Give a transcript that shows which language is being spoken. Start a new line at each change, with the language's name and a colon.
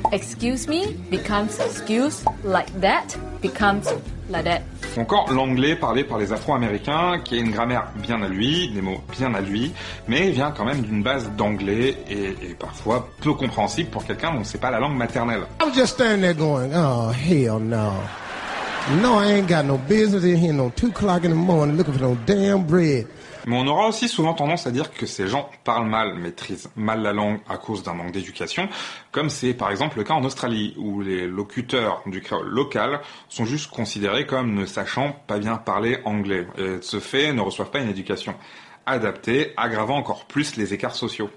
English: Excuse me becomes excuse. Like that becomes like that.
French: Encore l'anglais parlé par les Afro-Américains, qui a une grammaire bien à lui, des mots bien à lui, mais vient quand même d'une base d'anglais et parfois peu compréhensible pour quelqu'un dont c'est pas la langue maternelle.
English: I'm just standing there going, oh hell no, no I ain't got no business in here no 2 o'clock in the morning looking for no damn bread.
French: Mais on aura aussi souvent tendance à dire que ces gens parlent mal, maîtrisent mal la langue à cause d'un manque d'éducation, comme c'est par exemple le cas en Australie, où les locuteurs du créole local sont juste considérés comme ne sachant pas bien parler anglais, et de ce fait ne reçoivent pas une éducation adaptée, aggravant encore plus les écarts sociaux.